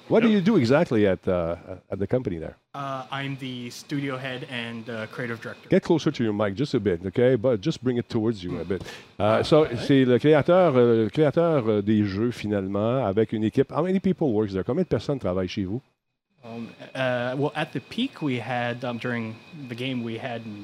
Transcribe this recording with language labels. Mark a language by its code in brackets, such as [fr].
[en] What do you do exactly at the company there? I'm the studio head and creative director. Get closer to your mic just a bit, OK? But just bring it towards you a bit. [fr] C'est le créateur des jeux, finalement, avec une équipe. [en] How many people work there? [fr] Combien de personnes travaillent chez vous? [en] At the peak, we had, during the game, we had